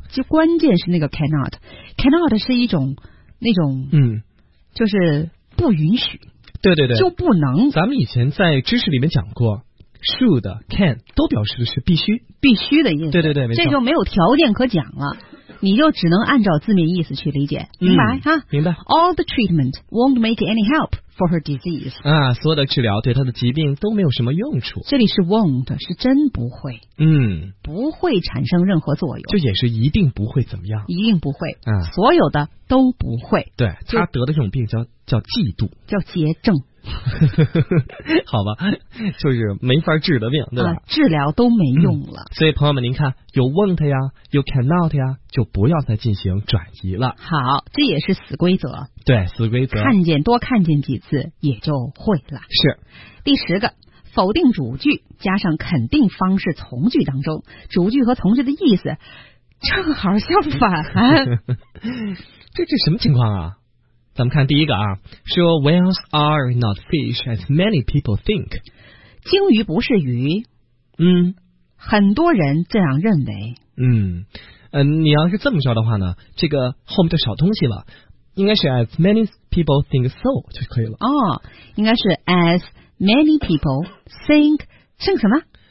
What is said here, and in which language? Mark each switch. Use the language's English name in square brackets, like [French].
[Chinese] 就关键是那个 cannot 是一种那种就是不允许。对对对，就不能。咱们以前在知识里面讲过。 Should, can 都表示的是必须，必须的意思。对对对，这就没有条件可讲了，你就只能按照字面意思去理解，明白哈？明白。 [English] All the treatment won't make any help for her disease。 [Chinese] 啊，所有的治疗对她的疾病都没有什么用处。这里是 won't， 是真不会，不会产生任何作用。就也是一定不会怎么样？一定不会，啊，所有的都不会。对，她得的这种病叫嫉妒，叫结症。好吧，就是没法治的病，对吧？治疗都没用了。所以朋友们，您看，有 won't 呀，有 cannot 呀，就不要再进行转移了。好，这也是死规则。对，死规则。看见多看见几次，也就会了。是。第十个，否定主句加上肯定方式从句当中，主句和从句的意思正好相反。这什么情况啊？咱们看第一个啊，说 [English] whales are not fish as many people think， [Chinese] 鲸鱼不是鱼，很多人这样认为。你要是这么说的话呢，这个后面就少东西了，应该是 [English] as many people think so [Chinese] 就可以了。哦，应该是 [English] as many people think [Chinese] 什么？